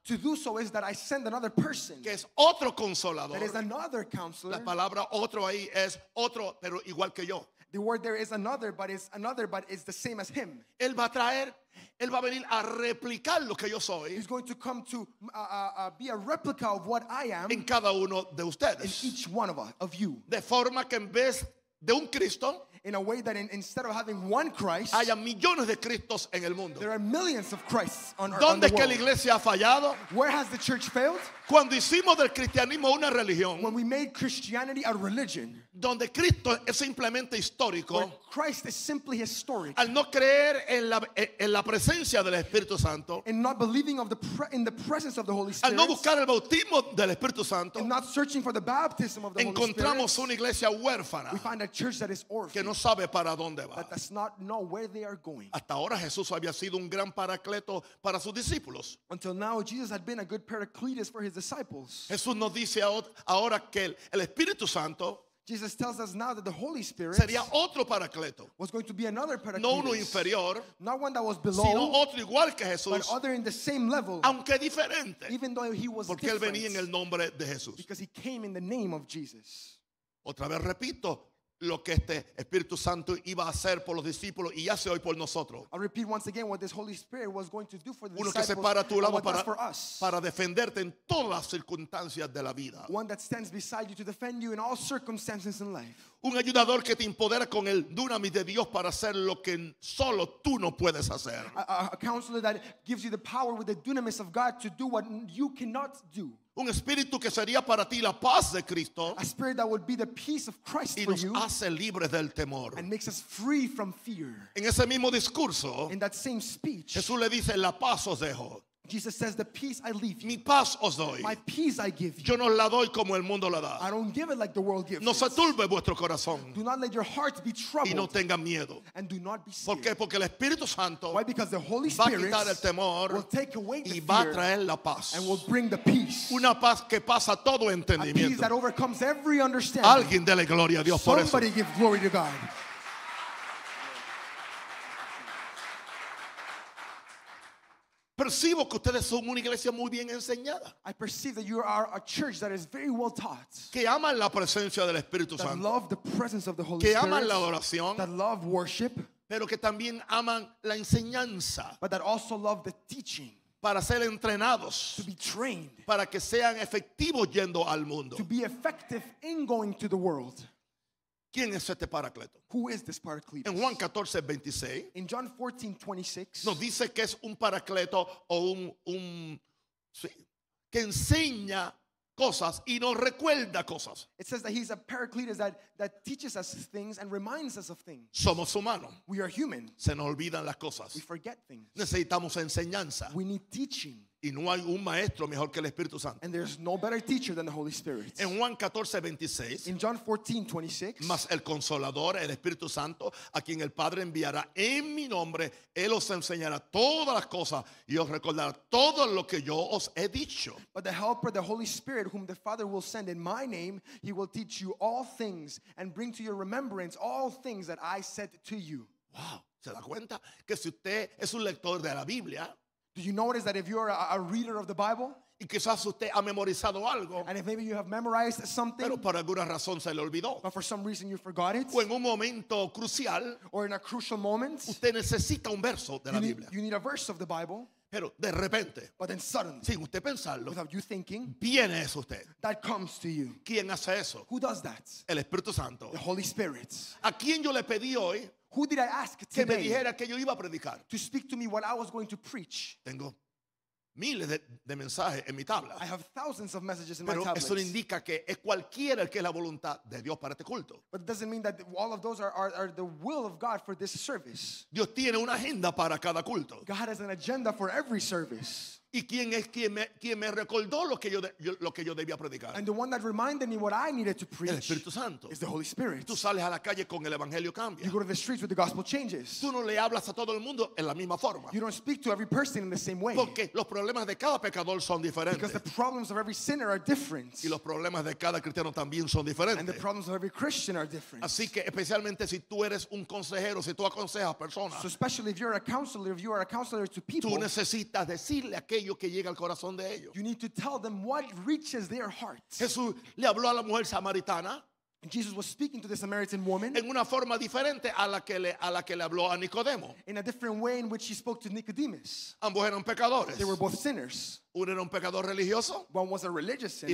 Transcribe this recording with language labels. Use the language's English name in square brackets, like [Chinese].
[English] To do so is that I send another person. [Spanish] Que es otro consolador. [English] That is another counselor. [Spanish] La palabra otro ahí es otro, pero igual que yo. [English] The word there is another, but it's another, but it's the same as him. [Spanish] Él va a traer. Él va a venir a replicar lo que yo soy. [English] He's going to come to be a replica of what I am. [Spanish] En cada uno de ustedes. [English] In each one of you. [Spanish] De forma que en vez de un Cristo. [English] In a way that instead of having one Christ. [Spanish] Haya millones de Cristos en el mundo. [English] There are millions of Christs on earth. [Spanish] ¿Dónde es que la iglesia ha fallado? [English] Where has the church failed? [Spanish] Cuando hicimos del cristianismo una religión. [English] When we made Christianity a religion. [Spanish] Donde Cristo es simplemente histórico. [English] Where Christ is simply historic. [Spanish] Al no creer en la presencia del Espíritu Santo. [English] And not believing in the presence of the Holy Spirit. [Spanish] Al no buscar el bautismo del Espíritu Santo. [English] And not searching for the baptism of the Holy Spirit. [Spanish] Encontramos una iglesia huérfana. [English] We find a church that is orphaned. [Spanish] Que no sabe para dónde va. [English] That does not know where they are going. [Spanish] Hasta ahora Jesús había sido un gran paracleto para sus discípulos. [English] Until now Jesus had been a good paracletus for his disciples. [Spanish] Jesús nos dice ahora que el Espíritu Santo. [English] Jesus tells us now that the Holy Spirit [Spanish] sería otro paracleto. [English] Was going to be another paracletus. [Spanish] No uno inferior. [English] Not one that was below. [Spanish] Sino otro igual que Jesús. [English] But other in the same level. [Spanish] Aunque diferente. [English] Even though he was [Spanish] porque [English] different. [Spanish] Porque él venía en el nombre de Jesús. [English] Because he came in the name of Jesus. [Spanish] Otra vez repito. Lo que este Espíritu Santo iba a hacer por los discípulos y hace hoy por nosotros. [English] I'll repeat once again what this Holy Spirit was going to do for the [Spanish] uno [English] disciples. [Spanish] Uno que se para a tu lado para defenderte en todas las circunstancias de la vida. [English] One that stands beside you to defend you in all circumstances in life. [Spanish] Un ayudador que te empodera con el dunamis de Dios para hacer lo que solo tú no puedes hacer. [English] A counselor that gives you the power with the dunamis of God to do what you cannot do. [Spanish] Un espíritu que sería para ti la paz de Cristo. [English] A spirit that would be the peace of Christ for you. [Spanish] Y nos hace libres del temor. [English] And makes us free from fear. [Spanish] En ese mismo discurso. [English] In that same speech. [Spanish] Jesús le dice, la paz os dejo. [English] Jesus says, the peace I leave you. [Spanish] Mi paz os doy. [English] My peace I give you. [Spanish] Yo no la doy como el mundo la da. [English] I don't give it like the world gives. [Spanish] No se turbe vuestro corazón. [English] Do not let your hearts be troubled. [Spanish] Y no tengan miedo. [English] And do not be scared. [Spanish] ¿Por qué? Porque el Espíritu Santo. [English] Why? Because the Holy Spirit [Spanish] va a quitar el temor. [English] Will take away the [Spanish] y va a traer la paz. [English] And will bring the peace. [Spanish] Una paz que pasa todo entendimiento. [English] A peace that overcomes every understanding. [Spanish] Alguien dele gloria a Dios [English] somebody [Spanish] por eso. [English] Somebody give glory to God. [Spanish] Percibo que ustedes son una iglesia muy bien enseñada. [English] I perceive that you are a church that is very well taught. [Spanish] Que aman la presencia del Espíritu Santo. [English] That love the presence of the Holy [Spanish] que [English] Spirit. [Spanish] Que aman la oración. [English] That love worship. [Spanish] Pero que también aman la enseñanza. [English] But that also love the teaching. [Spanish] Para ser entrenados. [English] To be trained. [Spanish] Para que sean efectivos yendo al mundo. [English] To be effective in going to the world. [Spanish] ¿Quién es este paracleto? [English] Who is this paracletus? [Spanish] En Juan 14:26. [English] In John 14:26. [Spanish] Nos dice que es un paracleto o un sí, que enseña cosas y nos recuerda cosas. [English] It says that he's a paracletus that teaches us things and reminds us of things. [Spanish] Somos humanos. [English] We are human. [Spanish] Se nos olvidan las cosas. [English] We forget things. [Spanish] Necesitamos enseñanza. [English] We need teaching. [Spanish] Y no hay un maestro mejor que el Espíritu Santo. [English] And there's no better teacher than the Holy Spirit. [Spanish] En Juan 14:26. [English] In John 14:26. [Spanish] Mas el Consolador, el Espíritu Santo, a quien el Padre enviará en mi nombre, él os enseñará todas las cosas y os recordará todo lo que yo os he dicho. [English] But the Helper, the Holy Spirit, whom the Father will send in my name, he will teach you all things and bring to your remembrance all things that I said to you. Wow. [Spanish] ¿Se da cuenta que si usted es un lector de la Biblia? [English] Do you notice that if you are a reader of the Bible, [Spanish] y quizás usted ha memorizado algo, [English] and if maybe you have memorized something, [Spanish] pero por alguna razón se le olvidó, [English] but for some reason you forgot it, [Spanish] o en un momento crucial, [English] or in a crucial moment, [Spanish] usted necesita un verso de la Biblia. [English] You need a verse of the Bible, [Spanish] pero de repente, [English] but then suddenly, [Spanish] sin usted pensarlo, [English] without you thinking, [Spanish] viene eso usted. [English] That comes to you. [Spanish] ¿Quién hace eso? [English] Who does that? [Spanish] El Espíritu Santo. [English] The Holy Spirit. [Spanish] ¿A quién yo le pedí hoy? [English] Who did I ask today [Spanish] que me dijera que yo iba a predicar? [English] To speak to me what I was going to preach? [Spanish] Tengo miles de mensajes en mi tabla. [English] I have thousands of messages in [Spanish] pero [English] my tablet. [Spanish] Pero eso indica que es cualquiera el que es la voluntad de Dios para este culto. [English] But it doesn't mean that all of those are the will of God for this service. [Spanish] Dios tiene una agenda para cada culto. [English] God has an agenda for every service. [Spanish] ¿Y quién es quien me recordó lo que yo debía predicar? [English] And the one that reminded me what I needed to preach. [Spanish] El Espíritu Santo. [English] Is the Holy Spirit. [Spanish] Tú sales a la calle con el evangelio cambia. [English] You go to the streets with the gospel changes. [Spanish] Tú no le hablas a todo el mundo en la misma forma. [English] You don't speak to every person in the same way. [Spanish] Porque los problemas de cada pecador son diferentes. [English] Because the problems of every sinner are different. [Spanish] Y los problemas de cada cristiano también son diferentes. [English] And the problems of every Christian are different. [Spanish] Así que especialmente si tú eres un consejero, si tú aconsejas personas. [English] So especially if you're a counselor, if you are a counselor to people. [Spanish] Tú necesitas decirle a aquellos que llega al corazón de ellos. [English] You need to tell them what reaches their hearts. [Spanish] Jesús le habló a la mujer samaritana. [English] Jesus was speaking to the Samaritan woman [Spanish] en una forma diferente a la que le habló a Nicodemo. [English] In a different way in which he spoke to Nicodemus. [Spanish] Ambos eran pecadores. [English] They were both sinners. [Spanish] Uno era un pecador religioso. [English] One was a religious sinner.